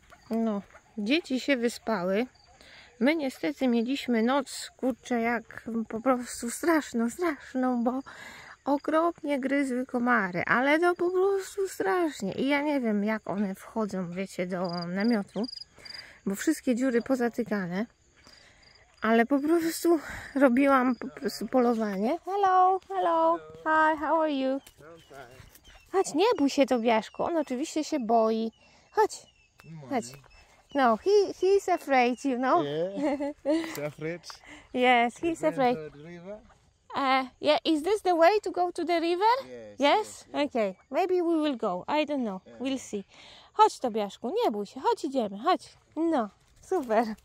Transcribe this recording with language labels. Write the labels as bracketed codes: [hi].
[pl] No, dzieci się wyspały. My niestety mieliśmy noc, kurczę, jak po prostu straszną, straszną, bo okropnie gryzły komary, ale to po prostu strasznie. I ja nie wiem, jak one wchodzą, wiecie, do namiotu, bo wszystkie dziury pozatykane. Ale po prostu robiłam po prostu polowanie. [en] Hello, hello, hi, how are you? [pl] Chodź, nie bój się, Tobiaszku. On oczywiście się boi. Chodź, chodź. No, [en] he's afraid, you know? Yeah, he's afraid. Yes, he's afraid. Yeah, is this the way to go to the river? Yes. Okay, maybe we will go. I don't know, we'll see. [pl] Chodź, Tobiaszku, nie bój się. Chodź, idziemy, chodź. No, super.